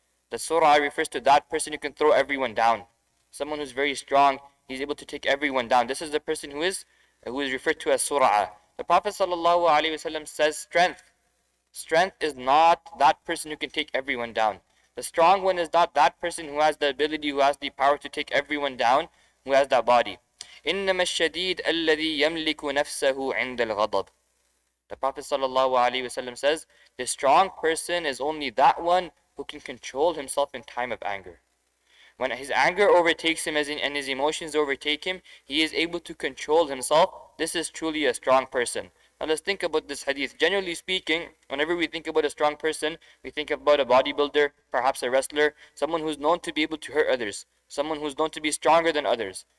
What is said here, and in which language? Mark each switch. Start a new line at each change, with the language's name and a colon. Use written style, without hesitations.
English: The surah refers to that person who can throw everyone down. Someone who's very strong, he's able to take everyone down. This is the person who is referred to as surah. The Prophet sallallahu alayhi wa sallam says strength. Strength is not that person who can take everyone down. The strong one is not that person who has the ability, who has the power to take everyone down, who has that body.
Arabic: إنما الشديد الذي يملك نفسه عند الغضب.
English: The Prophet sallallahu alaihi wasallam says, the strong person is only that one who can control himself in time of anger. When his anger overtakes him and his emotions overtake him, he is able to control himself. This is truly a strong person. Now let's think about this hadith. Generally speaking, whenever we think about a strong person, we think about a bodybuilder, perhaps a wrestler, someone who's known to be able to hurt others, someone who's known to be stronger than others.